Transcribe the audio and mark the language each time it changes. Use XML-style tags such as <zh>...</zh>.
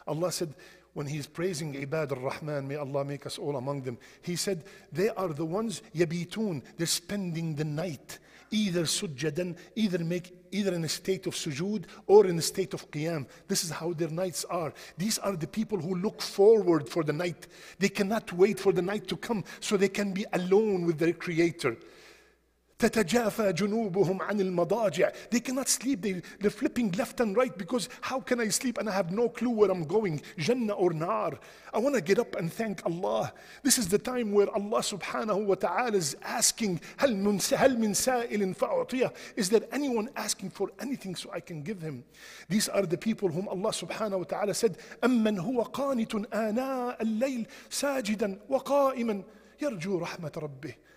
<en>Allah said, when he's praising Ibad al-Rahman, may Allah make us all among them, he said, they are the ones, yabitun, they're spending the night, either sujjadan, either in a state of sujood, or in a state of qiyam. This is how their nights are. These are the people who look forward for the night. They cannot wait for the night to come, so they can be alone with their Creator.</en> <ar>تتجافى جنوبهم عن المضاجع.</ar> <en>They cannot sleep. They're flipping left and right because how can I sleep and I have no clue where I'm going, Jannah or Nar? I want to get up and thank Allah. This is the time where Allah subhanahu wa ta'ala is asking,</en> <ar>هل من سائل فأعطيه?</ar> <en>Is there anyone asking for anything so I can give him? These are the people whom Allah subhanahu wa ta'ala said,</en> <ar>أمن هو قانت آناء الليل ساجدا وقائما يرجو رحمة ربه.</ar>